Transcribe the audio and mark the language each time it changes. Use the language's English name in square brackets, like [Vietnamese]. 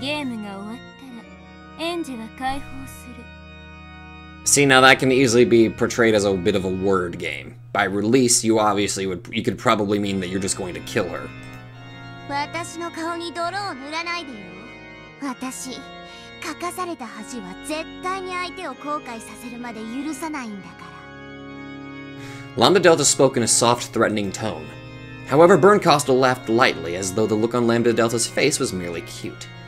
[Japanese] ゲームが終わったら、エンジェは解放する。 [English] See, now that can easily be portrayed as a bit of a word game. By release, you obviously would, you could probably mean that you're just going to kill her. [Japanese] 私の顔に泥を塗らないでよ。私、書かされた恥は絶対に相手を後悔させるまで許さないんだから。 [English] Lambda Delta spoke in a soft, threatening tone. However, Bernkostel laughed lightly as though the look on Lambda Delta's face was merely cute.